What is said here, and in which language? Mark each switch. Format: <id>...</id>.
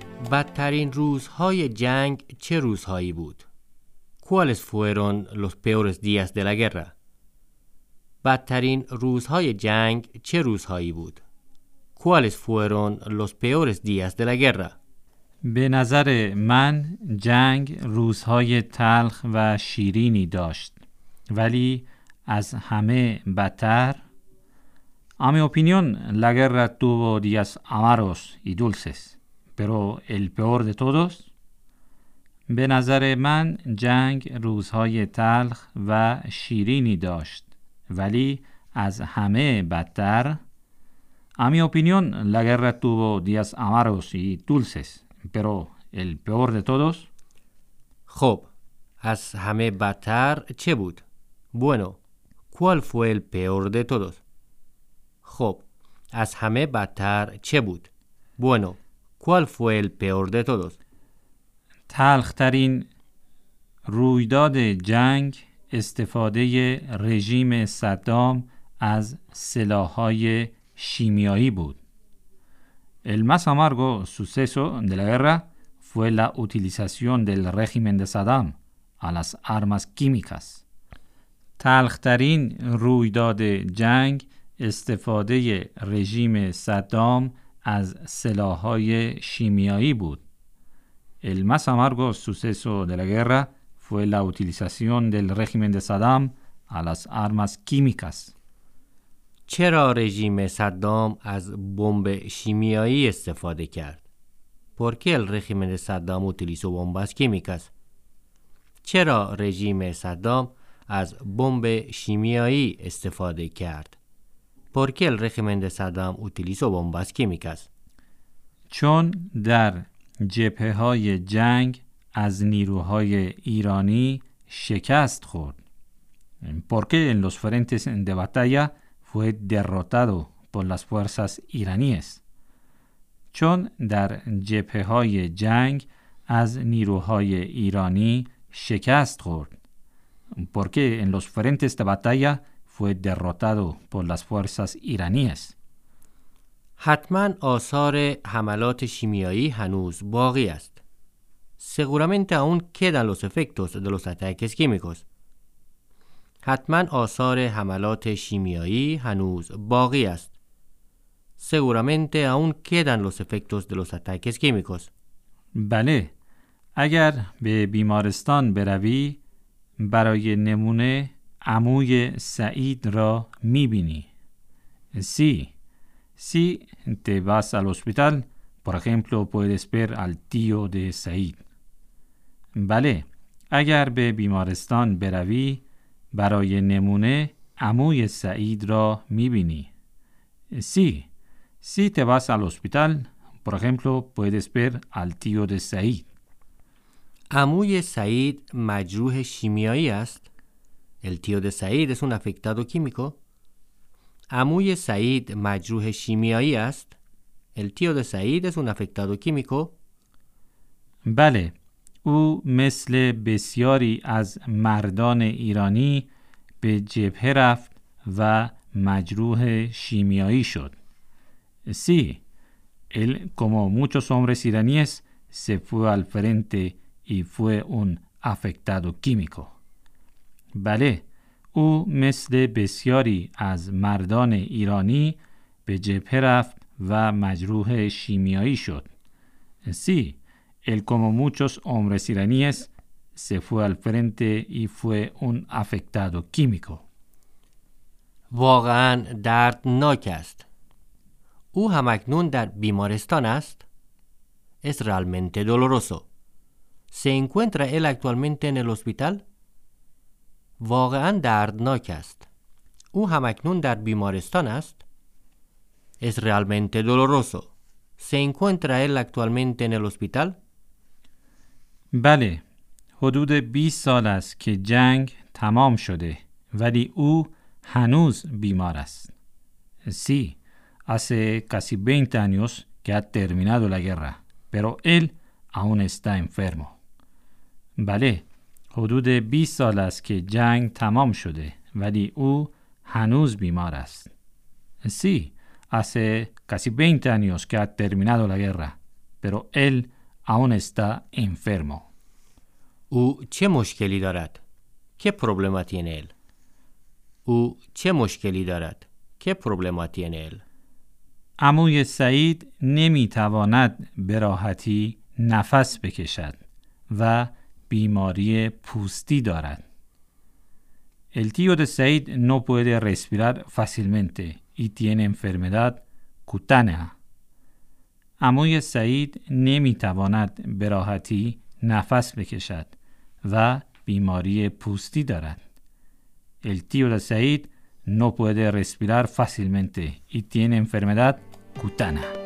<fa>بدترین روزهای جنگ چه روزهایی بود؟</fa> <es>¿Cuáles fueron los peores días de la guerra?</es> <fa>بدترین روزهای جنگ چه روزهایی بود؟</fa> <es>¿Cuáles fueron los peores días de la guerra?</es> <fa>به نظر من جنگ روزهای تلخ و شیرینی داشت. ولی از همه بدتر</fa> <es>A mi opinión, la guerra tuvo días amargos y dulces. Pero el peor de todos?</es> <fa>به نظر من جنگ روزهای تلخ و شیرینی داشت. ولی از همه بدتر</fa> <es>A mi opinión, la guerra tuvo días amargos y dulces, pero el peor de todos.</es> <fa>خب، از همه بدتر چه بود؟</fa> <es>Bueno, ¿cuál fue el peor de todos?</es> <fa>خب، از همه بدتر چه بود؟</fa> <es>Bueno, ¿cuál fue el peor de todos?</es> <fa>تلخ‌ترین رویداد جنگ استفاده رژیم صدام از سلاح‌های شیمیایی بود.</fa> <es>El más amargo suceso de la guerra fue la utilización del régimen de Saddam a las armas químicas.</es> <fa>تلخ‌ترین رویداد جنگ استفاده رژیم صدام از سلاح‌های شیمیایی بود.</fa> <es>El más amargo suceso de la guerra fue la utilización del régimen de Saddam a las armas químicas.</es> <fa>چرا رژیم صدام از بمب شیمیایی استفاده کرد؟</fa> <es>¿Por qué el régimen de Saddam utilizó bombas químicas?</es> <fa>چرا رژیم صدام از بمب شیمیایی استفاده کرد؟</fa> <es>¿Por qué el régimen de Saddam utilizó bombas químicas?</es> <fa>چون در جبهه‌های جنگ از نیروهای ایرانی شکست خورد.</fa> <es>¿Por qué en los frentes de batalla fue derrotado por las fuerzas iraníes?</es> <fa>چون در جبهه‌های جنگ از نیروهای ایرانی شکست خورد.</fa> <es>¿Por qué en los frentes de batalla fue derrotado por las fuerzas iraníes?</es> <fa>حتماً آثار حملات شیمیایی هنوز باقی است.</fa> <es>Seguramente aún quedan los efectos de los ataques químicos.</es> <fa>حتماً آثار حملات شیمیایی هنوز باقی است.</fa> <es>Seguramente aún quedan los efectos de los ataques químicos.</es> <fa>بله. اگر به بیمارستان بروی، برای نمونه عموی سعید را می‌بینی.</fa> <es>سی Si te vas al hospital, por ejemplo, puedes ver al tío de Said.</es> <fa>Vale, اگر به بیمارستان بروی، برای نمونه عموی سعید را می‌بینی.</fa> <es>Sí. Si te vas al hospital, por ejemplo, puedes ver al tío de Said.</es> <fa>عموی سعید مجروح شیمیایی است.</fa> <es>El tío de Said es un afectado químico.</es> <fa>عموی سعید مجروح شیمیایی است.</fa> <es>El tío de Said es un afectado químico.</es> <fa>بله. او مثل بسیاری از مردان ایرانی به جبهه رفت و مجروح شیمیایی شد.</fa> <es>Sí. Él como muchos hombres iraníes se fue al frente y fue un afectado químico.</es> <fa>بله. او مثل بسیاری از مردان ایرانی به جبهه رفت و مجروح شیمیایی شد.</fa> <es>Sí, él como muchos hombres iraníes se fue al frente y fue un afectado químico.</es> <fa>واقعا دردناک است. او هم اکنون در بیمارستان است.</fa> <es>Es realmente doloroso. ¿Se encuentra él actualmente en el hospital?</es> <fa>واقعا دردناک است. او هم اکنون در بیمارستان است.</fa> <es>Es realmente doloroso. ¿Se encuentra él actualmente en el hospital?</es> <fa>بله. حدود 20 سال است که جنگ تمام شده ولی او هنوز بیمار است.</fa> <es>Sí. Hace casi 20 años que ha terminado la guerra, pero él aún está enfermo.</es> <fa>بله. حدود 20 سال است که جنگ تمام شده ولی او هنوز بیمار است.</fa> <es>Sí, hace casi 20 años que ha terminado la guerra, pero él aún está enfermo.</es> <fa>او چه مشکلی دارد؟</fa> <es>¿Qué problema tiene él?</es> <fa>او چه مشکلی دارد؟</fa> <es>¿Qué problema tiene él?</es> <fa>عموی سعید نمیتواند به راحتی نفس بکشد و بیماری پوستی دارد.</fa> <es>El tío de Said no puede respirar fácilmente y tiene enfermedad cutánea.</es> <fa>عموی سعید نمیتواند به راحتی نفس بکشد و بیماری پوستی دارد.</fa> <es>El tío de Said no puede respirar fácilmente y tiene enfermedad cutánea.</es>